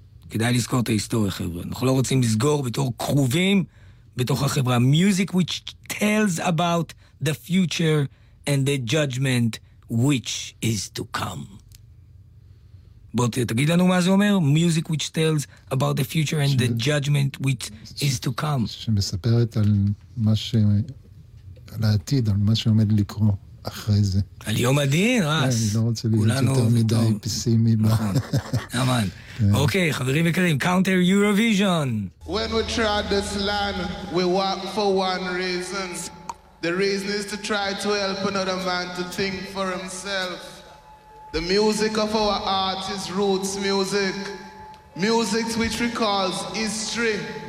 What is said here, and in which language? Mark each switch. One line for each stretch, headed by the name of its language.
Hebrew: כדאי לזכור את ההיסטוריה, חבר'ה. אנחנו לא רוצים לסגור בתור כרובים בתוך החברה.
English: Music which tells about the future and the judgment which is to come.
Hebrew: בוא תגיד לנו מה זה אומר.
English: Music which tells about the future and the judgment which is to come.
Hebrew: שמספרת על מה ש... על העתיד, על מה שעומד לקרוא אחרי זה. על יום הדין, רס. אני לא רוצה להיות יותר מדי פסימי. נכון. אוקיי, חברים יקרים, קאונטר יורוויז'ן.
English: When we trod this land, we walk for one reason. The reason is to try to help another man to think for himself. The The music of our art is roots music. Music which recalls history.